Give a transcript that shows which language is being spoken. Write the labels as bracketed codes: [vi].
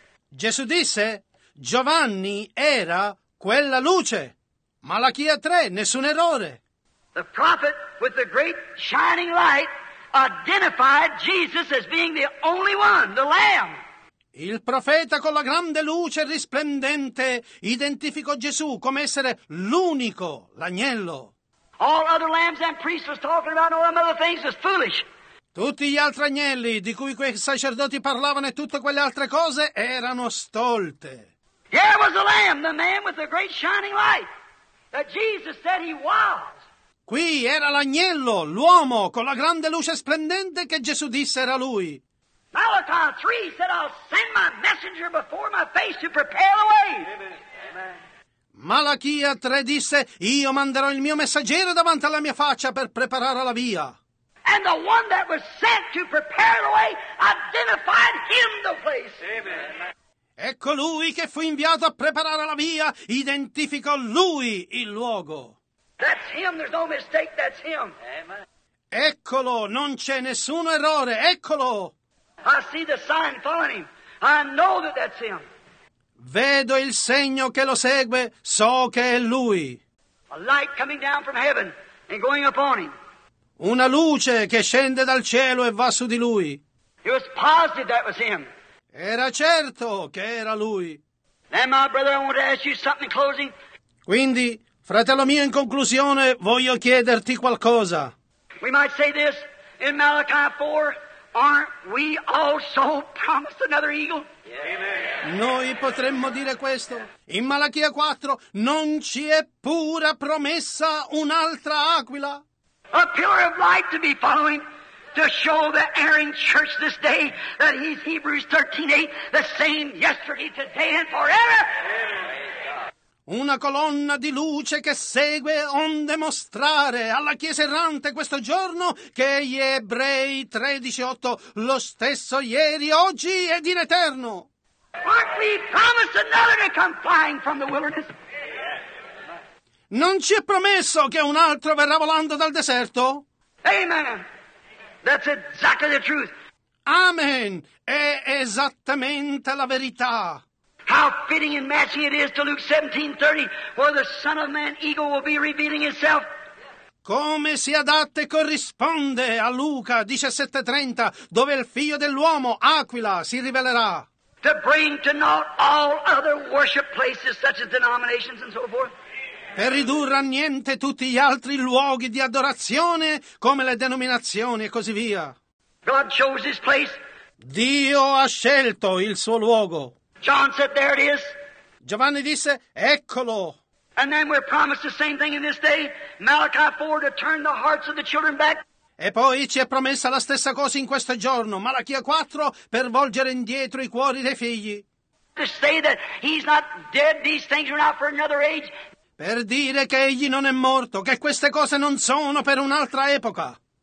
[it] Gesù disse, Giovanni era quella luce. Malachia 3, nessun errore. [en] The prophet with the great shining light identified Jesus as being the only one, the Lamb. [it] Il profeta con la grande luce risplendente identificò Gesù come essere l'unico, l'agnello. [en] All other lambs and priests was talking about all them other things is foolish. [it] Tutti gli altri agnelli di cui quei sacerdoti parlavano e tutte quelle altre cose erano stolte. [en] Here was the Lamb, the man with the great shining light that Jesus said he was. [it] Qui era l'agnello, l'uomo con la grande luce splendente che Gesù disse era lui. [en] Malachi 3 said I'll send my messenger before my face to prepare the way. [it] Malachia 3 disse io manderò il mio messaggero davanti alla mia faccia per preparare la via. [en] And the one that was sent to prepare the way identified him the place. Amen. [it] E colui che fu inviato a preparare la via identificò lui il luogo. [en] That's him, there's no mistake, that's him. Amen. [it] Eccolo, non c'è nessun errore, eccolo. [en] I see the sign following him. I know that that's him. [it] Vedo il segno che lo segue, so che è lui. [en] A light coming down from heaven and going upon him. [it] Una luce che scende dal cielo e va su di lui. [en] He was positive that was him. [it] Era certo che era lui. [en] Then my brother, I want to ask you something in closing. [it] Quindi, fratello mio, in conclusione, voglio chiederti qualcosa. [en] We might say this in Malachi 4, aren't we also promised another eagle? [it] Noi potremmo dire questo. In Malachia 4, non ci è pura promessa un'altra aquila? [en] A pillar of light to be following to show the erring church this day that he's Hebrews 13:8 the same yesterday, today and forever. [it] Una colonna di luce che segue onde mostrare alla chiesa errante questo giorno che gli Ebrei 13:8 lo stesso ieri, oggi ed in eterno. [en] Aren't we promised another to come flying from the wilderness? [it] Non ci è promesso che un altro verrà volando dal deserto? [en] Amen. That's exactly the truth. Amen. [it] È esattamente la verità. [en] How fitting and matching it is to Luke 17:30, where the Son of Man eagle will be revealing itself. [it] Come si adatta e corrisponde a Luca 17:30, dove il figlio dell'uomo, aquila, si rivelerà. [en] To bring to naught all other worship places, such as denominations and so forth. [it] Per ridurre a niente tutti gli altri luoghi di adorazione, come le denominazioni e così via. [en] God chose his place. [it] Dio ha scelto il suo luogo. [en] John said, there it is. [it] Giovanni disse, eccolo. [en] And then we're promised the same thing in this day, Malachi 4, to turn the hearts of the children back. [it] E poi ci è promessa la stessa cosa in questo giorno, Malachia 4, per volgere indietro i cuori dei figli. [en] To say that he's not dead, these things are not for another age. [it] Per dire che egli non è morto, che queste cose non sono per un'altra epoca.